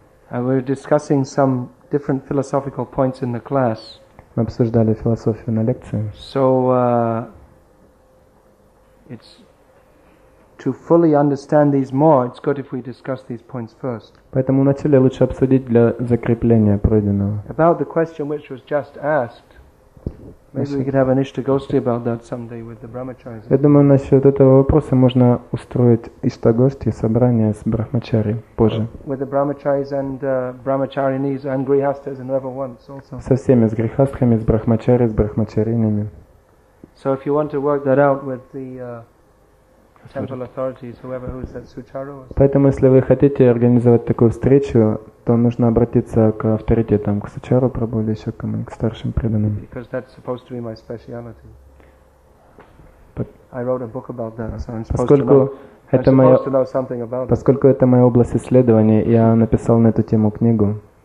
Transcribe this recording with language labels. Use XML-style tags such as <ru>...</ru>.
<en>We're discussing some different philosophical points in the class.</en> <ru>Мы обсуждали философию на лекции.</ru> <en>So, it's to fully understand these more, it's good if we discuss these points first.</en> <ru>Поэтому вначале лучше обсудить для закрепления пройденного.</ru> <en>About the question which was just asked. Maybe we could have an Ishtagosti about that someday with the brahmacharis.</en> <ru>Я думаю, насчёт этого вопроса можно устроить Ishtagosti, собрание с брахмачари позже.</ru> <en>With the brahmacharis and brahmacharinis and grihasthas and whoever wants also.</en> <ru>Со всеми, с грихастхами, с брахмачари, с брахмачаринами.</ru> <en>So if you want to work that out with the temple authorities, whoever who's that sucharo.</en> <ru>Поэтому, если вы хотите организовать такую встречу, то нужно обратиться к авторитетам, к сучару прабху или еще кому, к старшим преданным.</ru> <en>Because that's supposed to be my speciality. I wrote a book about that, so I'm supposed to know something about it.</en> <ru>Поскольку это моя область исследования, я написал на эту тему книгу.</ru>